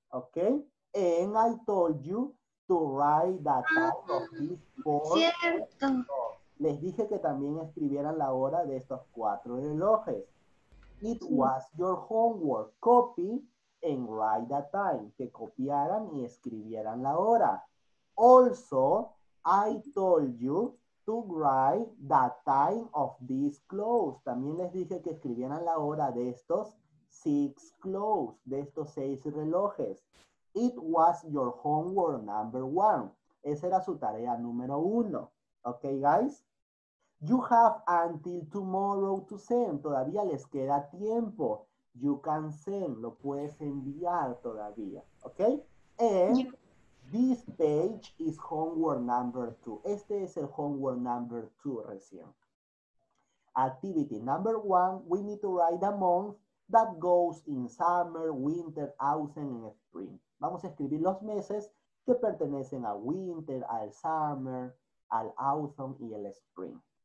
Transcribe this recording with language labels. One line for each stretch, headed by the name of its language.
English: Okay, and I told you to write the time of these four.
Spanish: Cierto. Les dije que también escribieran la hora de estos cuatro relojes.
English: It was your homework. Copy and write the time.
Spanish: Que copiaran y escribieran la hora.
English: Also, I told you to write the time of these clocks.
Spanish: También les dije que escribieran la hora de estos
English: six clocks,
Spanish: de estos seis relojes.
English: It was your homework number one.
Spanish: Esa era su tarea número uno.
English: Okay, guys? You have until tomorrow to send.
Spanish: Todavía les queda tiempo.
English: You can send.
Spanish: Lo puedes enviar todavía.
English: Okay? And this page is homework number two.
Spanish: Este es el
English: homework number two
Spanish: recién.
English: Activity number one, we need to write a month that goes in summer, winter, autumn, and spring.
Spanish: Vamos a escribir los meses que pertenecen a winter, al summer, al autumn, y el spring.